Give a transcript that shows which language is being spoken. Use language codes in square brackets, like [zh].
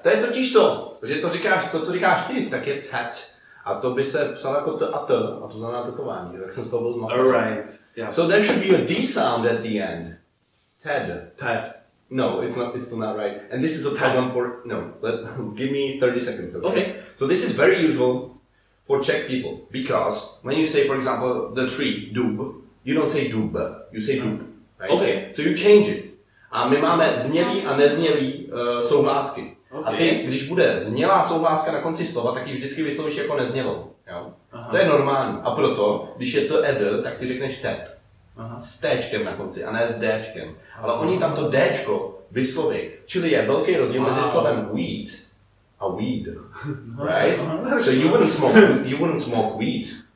[cs] To je totiž to, že to říkáš, to, co říkáš ty, tak je TED. A to by se psalo jako T-A-T, a to znamená tetování, tak jsem z toho byl zmatený. [en] All right. Yeah. So there should be a D sound at the end. TED. TED. No, it's not. It's still not right. And this is a tagline for no. But give me 30 seconds, okay? Okay. So this is very usual for Czech people because when you say, for example, the tree dub, you don't say dub, you say dub, right? Okay. So you change it. [cs] A my máme znělý a neznělý souhlásky. [en] Okay. [cs] A ty, když bude znělá souhláska na konci slova, tak ji vždycky vyslovíš jako neznělou. To je normální. A proto, když je to ed, tak ty řekneš ted. S téčkem na konci, a ne s déčkem. Ale oni tam to déčko vysloví. Čili je velký rozdíl mezi slovem weed a weed. [en] Right? So you wouldn't smoke weed.